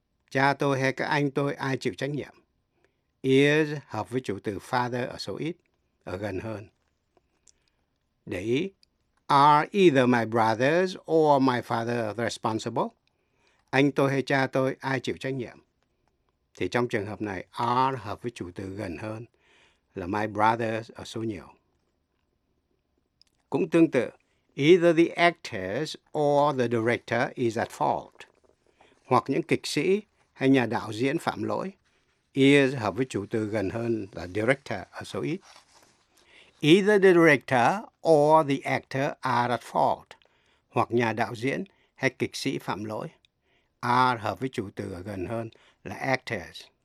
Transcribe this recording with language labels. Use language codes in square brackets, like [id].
[vi] Cha tôi hay các anh tôi ai chịu trách nhiệm? Is hợp với chủ từ father ở số ít, ở gần hơn. Để ý. [en] Are either my brothers or my father responsible? [vi] Anh tôi hay cha tôi, ai chịu trách nhiệm? Thì trong trường hợp này, are hợp với chủ từ gần hơn là my brothers ở số nhiều. Cũng tương tự, [en] either the actors or the director is at fault. [vi] Hoặc những kịch sĩ hay nhà đạo diễn phạm lỗi. Is hợp với chủ từ gần hơn là director ở số ít. [en] Either the director or the actor are at fault. [vi] Hoặc nhà đạo diễn hay kịch sĩ phạm lỗi. Are hợp với chủ từ ở gần hơn là actors.